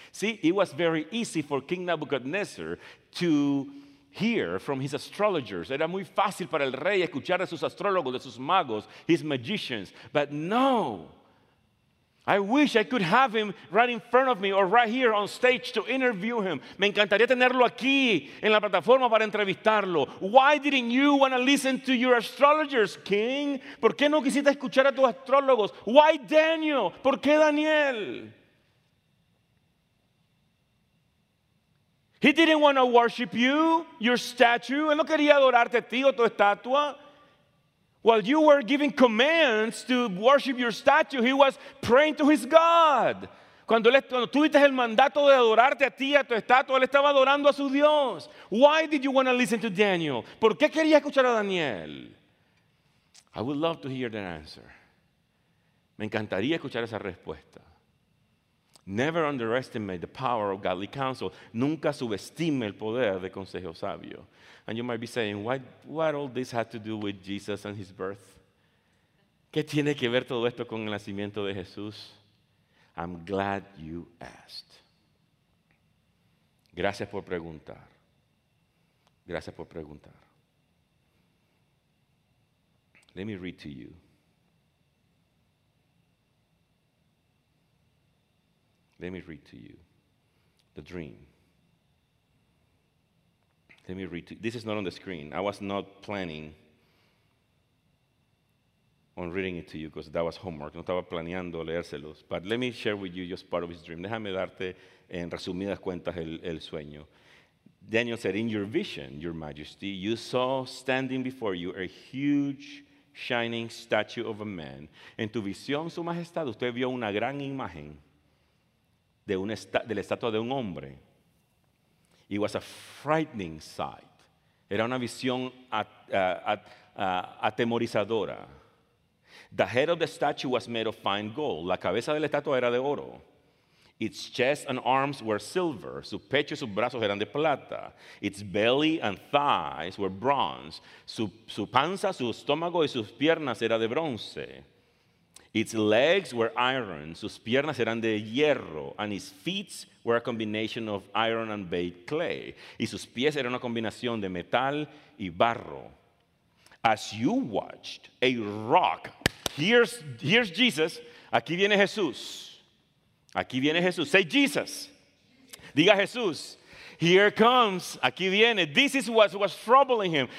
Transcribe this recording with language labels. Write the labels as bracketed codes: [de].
[en] See, it was very easy for King Nebuchadnezzar to hear from his astrologers. [es] Era muy fácil para el rey escuchar de sus astrólogos, de sus magos, [en] his magicians. But no, I wish I could have him right in front of me or right here on stage to interview him. [es] Me encantaría tenerlo aquí en la plataforma para entrevistarlo. [en] Why didn't you want to listen to your astrologers, King? [es] ¿Por qué no quisiste escuchar a tus astrólogos? [en] Why Daniel? [es] ¿Por qué Daniel? [en] He didn't want to worship you, your statue. [es] Él no quería adorarte a ti o tu estatua. [en] While you were giving commands to worship your statue, he was praying to his God. [es] Cuando tú diste el mandato de adorarte a ti, a tu estatua, él estaba adorando a su Dios. [en] Why did you want to listen to Daniel? [es] ¿Por qué quería escuchar a Daniel? [en] I would love to hear that answer. [es] Me encantaría escuchar esa respuesta. [en] Never underestimate the power of godly counsel. [es] Nunca subestime el poder de consejo sabio. [en] And you might be saying, what all this had to do with Jesus and his birth? [es] ¿Qué tiene que ver todo esto con el nacimiento de Jesús? [en] I'm glad you asked. [es] Gracias por preguntar. Gracias por preguntar. [en] Let me read to you. Let me read to you the dream. Let me read to you. This is not on the screen. I was not planning on reading it to you because that was homework. [es] No estaba planeando leérselos. [en] But let me share with you just part of his dream. [es] Déjame darte en resumidas cuentas el sueño. [en] Daniel said, in your vision, your majesty, you saw standing before you a huge shining statue of a man. [es] En tu visión, su majestad, usted vio una gran imagen de la estatua de un hombre. [en] It was a frightening sight. [es] Era una visión atemorizadora. [en] The head of the statue was made of fine gold. [es] La cabeza de la estatua era de oro. [en] Its chest and arms were silver. [es] Su pecho y sus brazos eran de plata. [en] Its belly and thighs were bronze. [es] Su panza, su estómago y sus piernas eran de bronce. [en] Its legs were iron, [es] sus piernas eran de hierro, [en] and his feet were a combination of iron and baked clay. [es] Y sus pies eran una combinación de metal y barro. [en] As you watched, a rock, here's Jesus, [es] aquí viene Jesús, aquí viene Jesús, [en] say Jesus, [es] diga Jesús. [en] Here comes, [es] aquí viene. [en] This is what was troubling him.